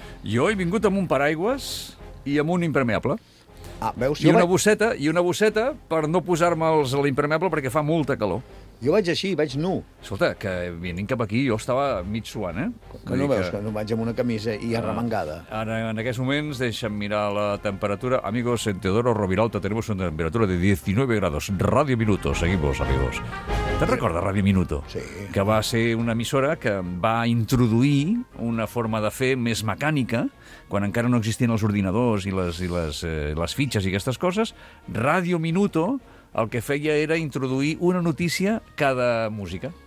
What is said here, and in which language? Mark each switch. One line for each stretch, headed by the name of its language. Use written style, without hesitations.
Catalan: Jo he vingut amb un paraigües i amb un impermeable. Ah, veus, i una bosseta, i una bosseta per no posar-me els a l'impermeable perquè fa molta calor. Jo vaig així, vaig nu. Escolta, que venint cap aquí jo estava mig suant, eh? Que no veus, que no vaig amb una camisa i arremangada. Ara, en aquests moments, deixa'm mirar la temperatura.
Spanish: Amigos, en Teodoro Roviralta tenemos una temperatura de 19 grados. Radio Minuto, seguimos, amigos.
Catalan: Te'n recordes,
Spanish: Radio Minuto?
Catalan: Sí. Que va ser una emissora que va introduir una forma de fer més mecànica, quan encara no existien els ordinadors i les fitxes i aquestes coses. Radio Minuto el que feia era introduir una notícia cada música.